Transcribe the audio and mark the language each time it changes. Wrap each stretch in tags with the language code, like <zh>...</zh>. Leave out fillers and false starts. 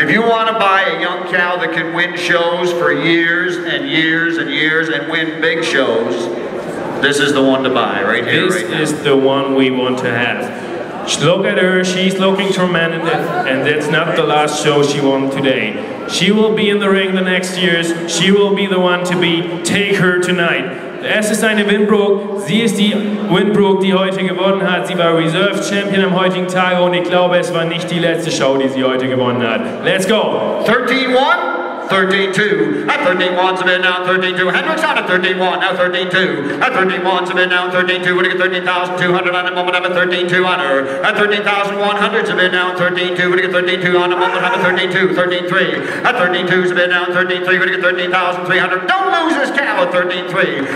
<en>If you want to buy a young cow that can win shows for years and years and years and win big shows, this is the one to buy right here. This is the one we want to have. Look at her, she's looking tremendous, and that's not the last show she won today. She will be in the ring the next years. She will be the one to be. Take her tonight.</en> <de>Es ist eine Winbrook. Sie ist die Winbrook, die heute gewonnen hat. Sie war Reserve Champion am heutigen Tage und ich glaube, es war nicht die letzte Show, die sie heute gewonnen hat.</de> <en>Let's go! 13-1! 13-2, at 13-1's a bid now 13-2, Hendricks on at 13-1, now 13-2, at 13-1's a bid now 13-2, when he get 13,200 on a moment, I'm at 13-2 on her, at 13,100's a bid now 13-2, when he get 13-2 on a moment, I'm at 13-2, 13-3, at 13-2's a bid now 13-3, when he get 13,300, don't lose this cow at 13-3,</en>